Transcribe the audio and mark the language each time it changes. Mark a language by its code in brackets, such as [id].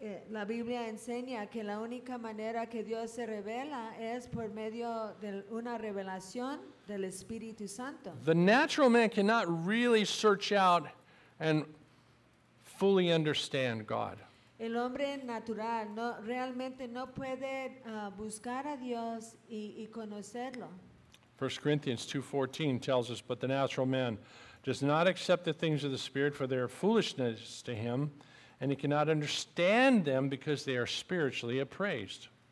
[es] La Biblia enseña que la única manera que Dios se revela es por medio de una revelación del Espíritu Santo. [en] The natural man cannot really search out and fully understand God. [es] El hombre natural no realmente no puede buscar a Dios y conocerlo. [en] 1 Corinthians 2:14 tells us, but the natural man does not accept the things of the Spirit, for they are foolishness to him, and he cannot understand them because they are spiritually appraised.